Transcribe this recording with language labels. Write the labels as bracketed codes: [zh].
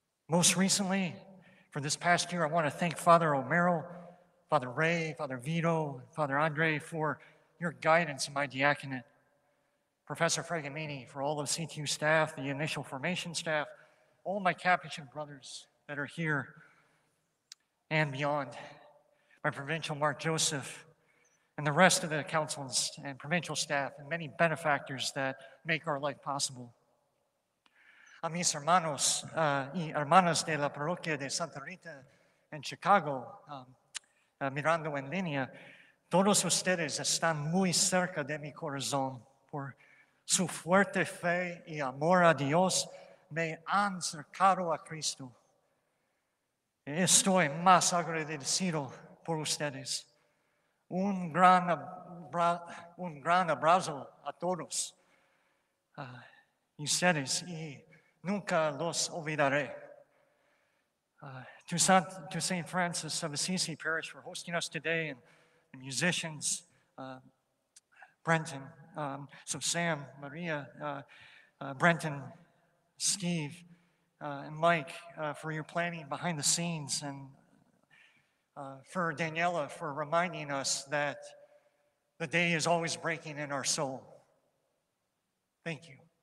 [en] Most recently, for this past year, I want to thank Father Romero, Father Ray, Father Vito, Father Andre for your guidance in my diaconate, Professor Fragamini, for all of CTU staff, the initial formation staff, all my Capuchin brothers that are here and beyond, my provincial Mark Joseph, and the rest of the councils and provincial staff and many benefactors that make our life possible. [es] A mis hermanos y hermanas de la parroquia de Santa Rita en Chicago, mirando en línea, todos ustedes están muy cerca de mi corazón por su fuerte fe y amor a Dios me han acercado a Cristo. Estoy más agradecido por ustedes. Un gran abrazo a todos ustedes y nunca los olvidaré. [en] To St. Francis of Assisi Parish for hosting us today, and the musicians, Brenton, Sam, Maria, Brenton, Steve, and Mike, for your planning behind the scenes, and for Daniela for reminding us that the day is always breaking in our soul. Thank you.